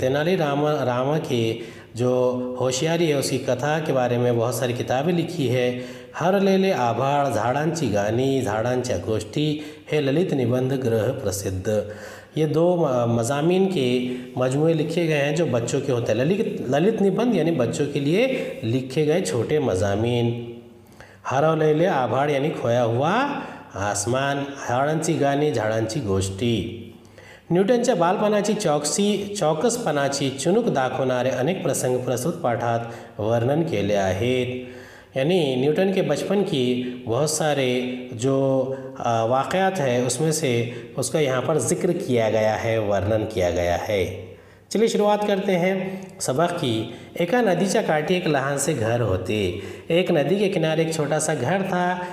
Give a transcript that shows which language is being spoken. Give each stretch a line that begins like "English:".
Hindi: तेनाली रामा की जो होशियारी है, उसकी कथा के बारे में बहुत सारी किताबें लिखी है। हर लेले आभाळ, झाडांची गाणी, झाडांच्या गोष्टी हे ललित निबंध ग्रह प्रसिद्ध, ये दो मजामीन के मजमूए लिखे गए हैं जो बच्चों के होते हैं। ललित निबंध यानी बच्चों के लिए लिखे गए छोटे मजामीन। हर लेले आभाळ यानी खोया हुआ आसमान, झाडांची गाणी, झाडांची गोष्टी।
Marathi: न्यूटनच्या बालपणाची चौकसपणाची चुणूक दाखवणारे अनेक प्रसंग प्रस्तुत पाठात वर्णन केले आहेत।
Hindi: यानी न्यूटन के बचपन की बहुत सारे जो वाक़यात है, उसमें से उसका यहाँ पर जिक्र किया गया है, वर्णन किया गया है। चलिए शुरुआत करते हैं सबक की।
Marathi: एका नदीच्या काठी एक लहान से घर होते।
Hindi: एक नदी के किनारे एक छोटा सा घर था।